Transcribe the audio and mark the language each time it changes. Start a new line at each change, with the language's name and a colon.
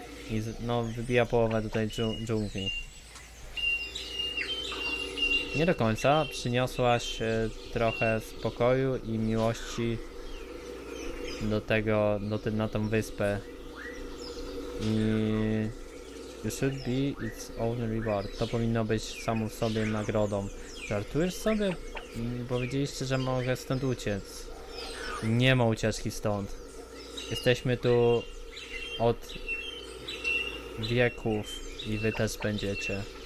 Polish: I no, wybija połowę tutaj dżungli. Nie do końca. Przyniosłaś trochę spokoju i miłości do tego, na tą wyspę. I...
English: you should be its own reward.
Polish: To powinno być samą sobie nagrodą. Żartujesz sobie? Powiedzieliście, że mogę stąd uciec. Nie ma ucieczki stąd. Jesteśmy tu od wieków i wy też będziecie.